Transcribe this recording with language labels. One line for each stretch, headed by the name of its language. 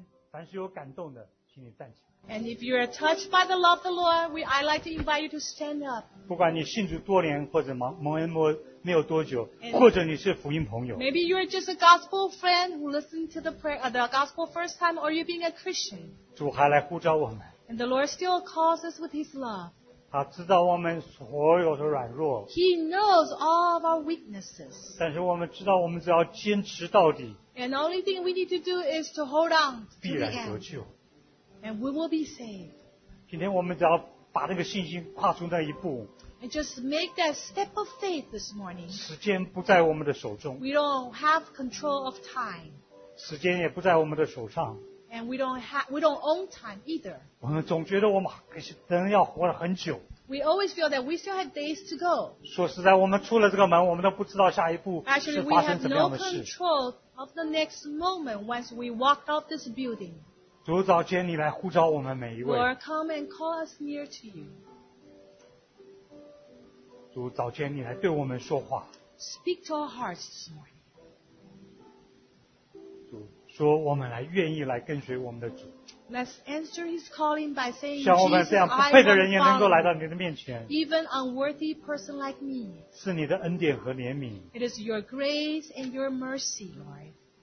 Chinese: 凡是有感动的，请你站起来。
English: And if you are touched by the love of the Lord, I'd like to invite you to stand up.
Chinese: 不管你信主多年，或者蒙恩没有多久，或者你是福音朋友。
English: Maybe you are just a gospel friend who listened to the gospel first time, or you being a Christian.
Chinese: 主还来呼召我们。
English: And the Lord still calls us with His love.
Chinese: 他知道我们所有的软弱。
English: He knows all of our weaknesses.
Chinese: 但是我们知道，我们只要坚持到底。
English: And the only thing we need to do is to hold on to the end.
Chinese: 必然得救。
English: And we will be saved.
Chinese: 今天我们只要把那个信心跨出那一步。
English: And just make that step of faith this morning.
Chinese: 时间不在我们的手中。
English: We don't have control of time.
Chinese: 时间也不在我们的手上。
English: And we don't own time either.
Chinese: 我们总觉得我们可是真要活了很久。
English: We always feel that we still have days to go.
Chinese: 说实在，我们出了这个门，我们都不知道下一步是发生什么样的事。
English: Actually, we have no control of the next moment once we walk out this building.
Chinese: 主早间你来呼召我们每一位。
English: Lord, come and call us near to you.
Chinese: 主早间你来对我们说话。
English: Speak to our hearts this morning.
Chinese: 主说我们来愿意来跟随我们的主。
English: Let's answer his calling by saying,
Chinese: 像我们这样不配的人也能够来到你的面前。
English: Even unworthy person like me.
Chinese: 是你的恩典和怜悯。
English: It is your grace and your mercy, Lord.